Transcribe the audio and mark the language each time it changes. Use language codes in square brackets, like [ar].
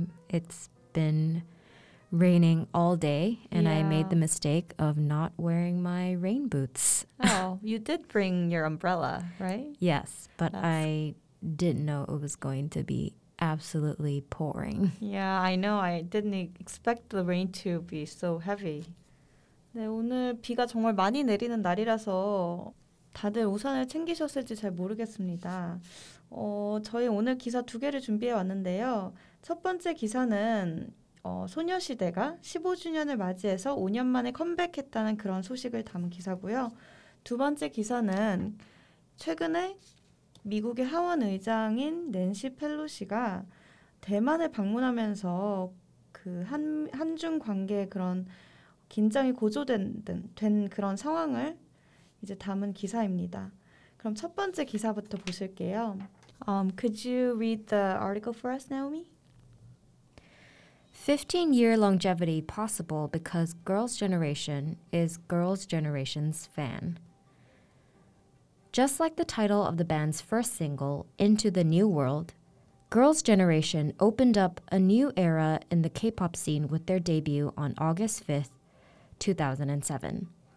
[en] It's been raining all day, and yeah. I made the mistake of not wearing my rain boots. Oh, you did bring your umbrella, right? Yes, but I didn't know it was going to be absolutely pouring. Yeah, I know. I didn't expect the rain to be so heavy. [ko] 네, 오늘 비가 정말 많이 내리는 날이라서 다들 우산을 챙기셨을지 잘 모르겠습니다. 저희 오늘 기사 두 개를 준비해 왔는데요. 첫 번째 기사는 소녀시대가 15주년을 맞이해서 5년 만에 컴백했다는 그런 소식을 담은 기사고요. 두 번째 기사는 최근에 미국의 하원의장인 낸시 펠로시가 대만을 방문하면서 그 한중 관계 그런 긴장이 고조된 그런 상황을 이제 담은 기사입니다. 그럼 첫 번째 기사부터 보실게요. [en] Could you read the article for us, Naomi? 15-year longevity possible because girls' generation is girls' generation's fan. Just like the title of the band's first single, Into the New World, Girls' Generation opened up a new era in the K-pop scene with their debut on August 5th, 2007.